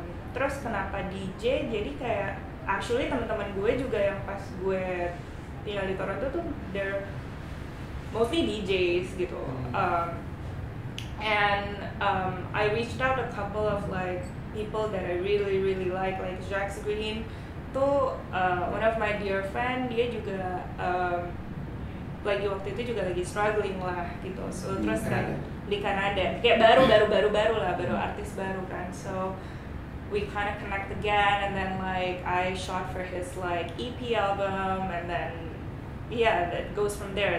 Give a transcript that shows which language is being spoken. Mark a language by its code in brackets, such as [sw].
[id] Terus kenapa DJ? Jadi kayak actually teman-teman gue juga yang pas gue tinggal di Toronto tuh [en] they're mostly DJs [id] gitu. [en] I reached out a couple of like people that I really really like Jax Green. [id] Itu [en] one of my dear friend, [id] dia juga lagi waktu itu juga lagi struggling lah gitu. So terus kan di Kanada kayak baru artis baru kan. [en] So we kind of connect again, and then like I shot for his like EP album, and then that goes from there.